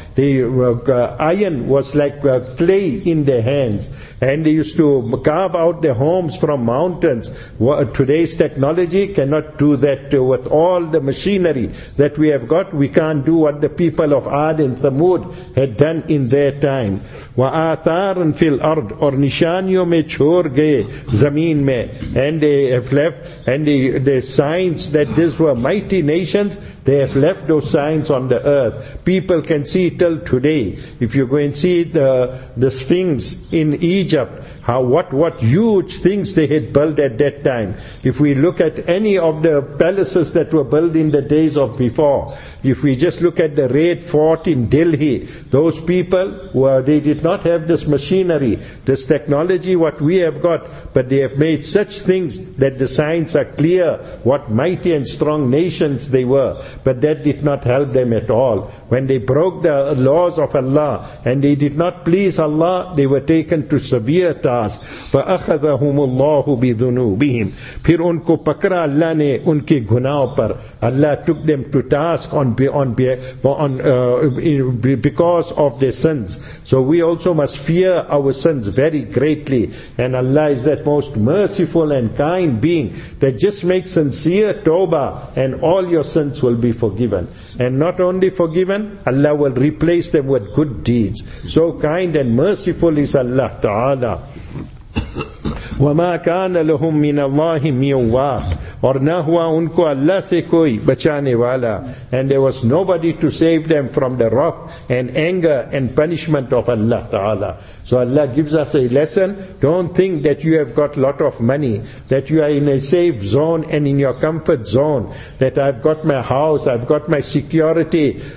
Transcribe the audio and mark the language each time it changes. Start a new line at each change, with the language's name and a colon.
English: Iron was like clay in their hands. And they used to carve out their homes from mountains. Today's technology cannot do that with all the machinery that we have got. We can't do what the people of Ad and Thamud had done in their time.
Arabic: وَآثَارٌ فِي الْأَرْضِ
Urdu: اور نِشَانِيُوں میں چھوڑ گئے زمین میں.
English: And they have left, and the signs that these were mighty nations, they have left those signs on the earth. People can see till today. If you go and see the Sphinx in Egypt, what huge things they had built at that time. If we look at any of the palaces that were built in the days of before, if we just look at the Red Fort in Delhi, those people, they did not have this machinery, this technology what we have got, but they have made such things that the signs are clear what mighty and strong nations they were. But that did not help them at all. When they broke the laws of Allah and they did not please Allah, they were taken to severe task.
Arabic: فَأَخَذَهُمُ اللَّهُ بِذُنُوبِهِمْ
Urdu: پھر ان کو پکرا اللہ نے ان کے گناہوں پر.
English: Allah took them to task because of their sins. So we also must fear our sins very greatly. And Allah is that most merciful and kind being that just make sincere tawbah and all your sins will be forgiven. And not only forgiven, Allah will replace them with good deeds. So kind and merciful is Allah Ta'ala.
Arabic: وَمَا كَانَ لَهُم مِّنَ اللَّهِ مِّن وَاقٍ
Urdu: اور نہ ہوا ان کو اللہ سے کوئی بچانے والا.
English: And there was nobody to save them from the wrath and anger and punishment of Allah Ta'ala. So Allah gives us a lesson. Don't think that you have got a lot of money, that you are in a safe zone and in your comfort zone, that I've got my house, I've got my security.